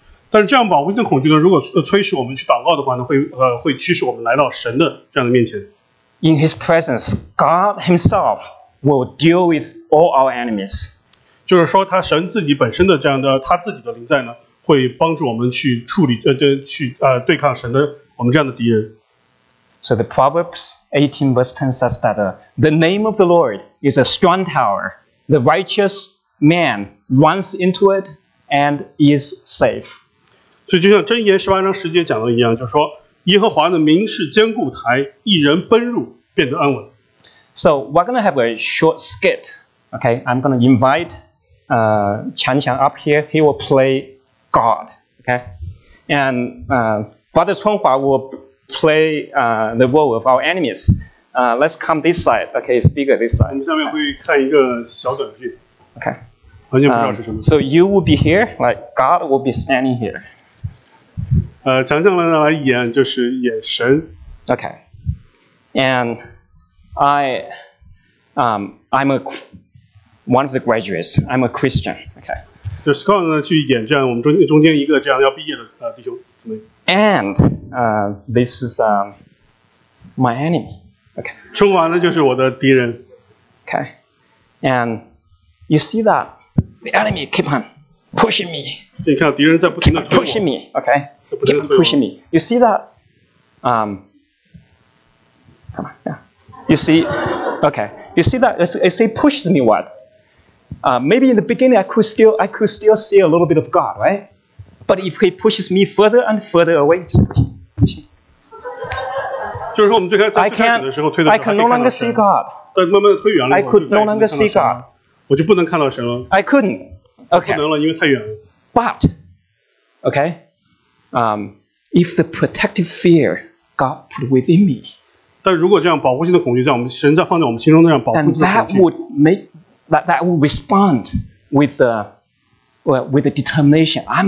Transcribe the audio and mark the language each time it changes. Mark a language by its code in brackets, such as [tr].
[zh] 但是这样保护性恐惧呢，如果催使我们去祷告的话呢，会驱使我们来到神的这样的面前。 [en] In His presence, God Himself will deal with all our enemies. [zh] 就是说，他神自己本身的这样的他自己的灵在呢，会帮助我们去处理对抗神的我们这样的敌人。 [en] So the Proverbs 18 verse 10 says that the name of the Lord is a strong tower, the righteous. Man runs into it and is safe. [zh] 所以就像箴言十八章十节讲的一样，就是说耶和华的名是坚固台，一人奔入便得安稳。 [en] So we're going to have a short skit. Okay, I'm going to invite Chan Qiang up here. He will play God. Okay, and Brother Chunhua will play the role of our enemies. Let's come this side. Okay, it's bigger this side. [zh] 我们下面会看一个小短剧。 [en] Okay. So you will be here, like God will be standing here. [zh] 强强来演就是演神。 [en] Okay. And I'm one of the graduates. I'm a Christian. Okay. [zh] 就 Scott 呢去演这样我们中间一个这样要毕业的弟兄姊妹。 [en] And this is my enemy. Okay. [zh] 春华呢就是我的敌人。 [en] Okay. And you see that the enemy keep on pushing me. [zh] 你看敌人在不停地 [en] pushing me, okay? Keep pushing me. You see that? Come on, yeah. You see, okay. You see that? It pushes me what? Maybe in the beginning I could still see a little bit of God, right? But if he pushes me further and further away, it's pushing. [zh] 就是说我们最开始在最开始的时候推的时候 [en] I can no longer see God. [zh] 但慢慢的推远了 [en] I could no longer see God. [zh] 我就不能看到神了。 [en] I couldn't. Okay. [zh] 不能了，因为太远了。 [en] But, okay, if the protective fear God put within me, [zh] 但如果这样保护性的恐惧在我们神在放在我们心中那样保护性的恐惧 [en] then that would make that would respond with the with the determination.